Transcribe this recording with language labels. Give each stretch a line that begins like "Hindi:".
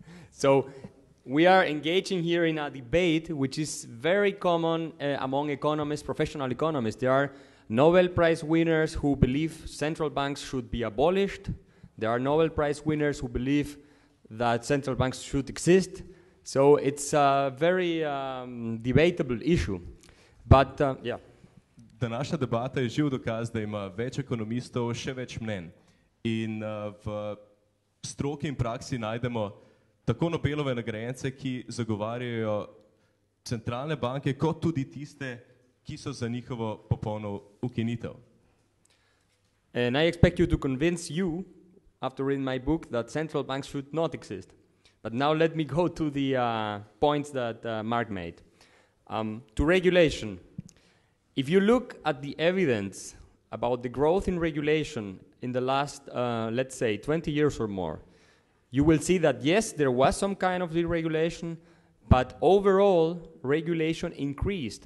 English: So we are engaging here in a debate which is very common among economists, professional economists. There are Nobel Prize winners who believe central banks should be abolished. There are Nobel Prize winners who believe that central banks should exist. So it's a very debatable issue, but yeah.
Slovenian: Današnja debata je živ dokaz, da ima več ekonomistov še več mnenj. In v stroki in praksi najdemo tako Nobelove nagrajence, ki zagovarjajo centralne banke, kot tudi tiste, ki so za njihovo popolno ukinitev.
English: And I expect you to convince you, after reading my book, that central banks should not exist. But now let me go to the points that Mark made. To regulation. If you look at the evidence about the growth in regulation in the last, let's say, 20 years or more, you will see that, yes, there was some kind of deregulation, but overall, regulation increased.